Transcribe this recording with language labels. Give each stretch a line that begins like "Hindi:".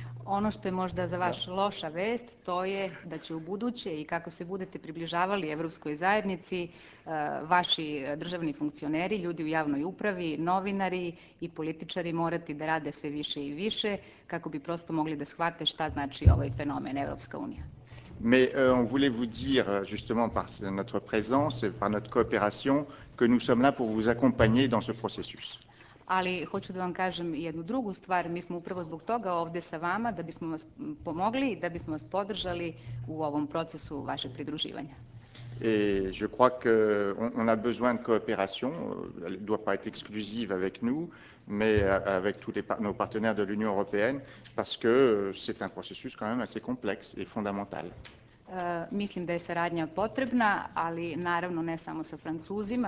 Serbian: Ono što je možda za vaš loša vest, to je da će u buduće i kako se budete približavali Evropskoj zajednici, vaši državni funkcioneri, ljudi u javnoj upravi, novinari i političari morati da rade sve više i više kako bi prosto mogli da shvate šta znači ovaj fenomen Evropska unija.
French: Mais on voulait vous dire justement par notre présence et par notre coopération que nous sommes là pour vous accompagner dans ce processus.
Serbian: Ali hoću da vam kažem jednu drugu stvar. Mi smo upravo zbog toga ovde sa vama da bismo vas pomogli i da bismo vas podržali u ovom procesu vašeg pridruživanja.
French: Et je crois qu'on a besoin de coopération. Elle ne doit pas être exclusive avec nous, mais avec tous nos partenaires de l'Union européenne, parce que c'est un processus quand même assez complexe et fondamental.
Serbian: Mislim da je saradnja potrebna, ali naravno ne samo sa Francuzima.